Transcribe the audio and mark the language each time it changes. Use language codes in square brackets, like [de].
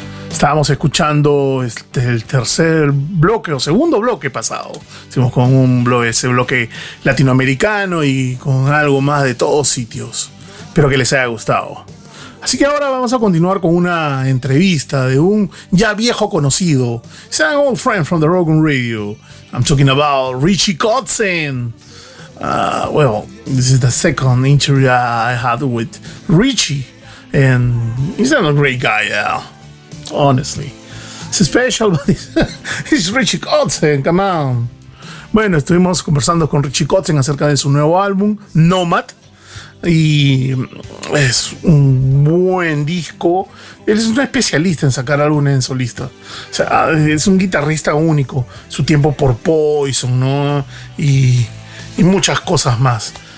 [es] Estábamos escuchando el tercer bloque o segundo bloque pasado. Hicimos con un bloque, ese bloque latinoamericano y con algo más de todos sitios. Espero que les haya gustado. Así que ahora vamos a continuar con una entrevista de un ya viejo conocido. [en] He's an old friend from the Rock'em Radio. I'm talking about Richie Kotzen. Well, this is the second interview I had with Richie. And he's not a great guy, honestly. It's special, but it's Richie Kotzen, come on. [es] Bueno, estuvimos conversando con Richie Kotzen acerca de su nuevo álbum, Nomad. Y es un buen disco. Él es un especialista en sacar álbumes en solista. O sea, es un guitarrista único. Su tiempo por Poison, ¿no? Y muchas cosas más.